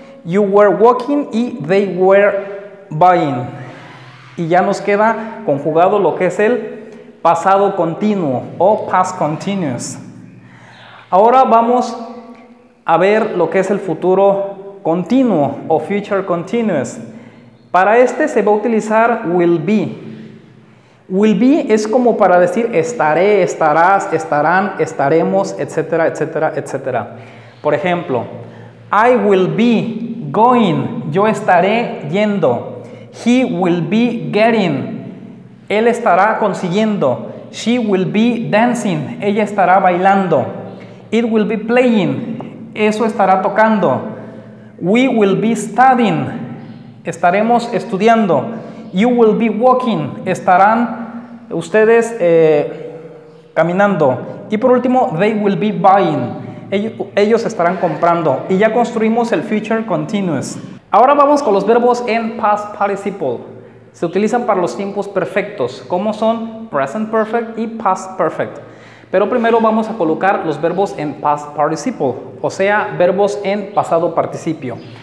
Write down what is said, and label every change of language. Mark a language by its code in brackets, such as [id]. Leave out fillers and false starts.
[en] You were walking [es] y [en] they were buying. [es] Y ya nos queda conjugado lo que es el pasado continuo o [en] past continuous. [es] Ahora vamos a ver lo que es el futuro continuo o [en] future continuous. [es] Para este se va a utilizar [en] will be. Will be [es] es como para decir estaré, estarás, estarán, estaremos, etcétera, etcétera, etcétera. Por ejemplo, [en] I will be going. [es] Yo estaré yendo. [en] He will be getting. [es] Él estará consiguiendo. [en] She will be dancing. [es] Ella estará bailando. [en] It will be playing. [es] Eso estará tocando. [en] We will be studying. [es] Estaremos estudiando. [en] You will be walking. [es] Estarán ustedes caminando. Y por último, [en] they will be buying. [es] Ellos estarán comprando. Y ya construimos el [en] future continuous. [es] Ahora vamos con los verbos en [en] past participle. [es] Se utilizan para los tiempos perfectos, como son [en] present perfect [es] y [en] past perfect. [es] Pero primero vamos a colocar los verbos en [en] past participle, [es] o sea, verbos en pasado participio.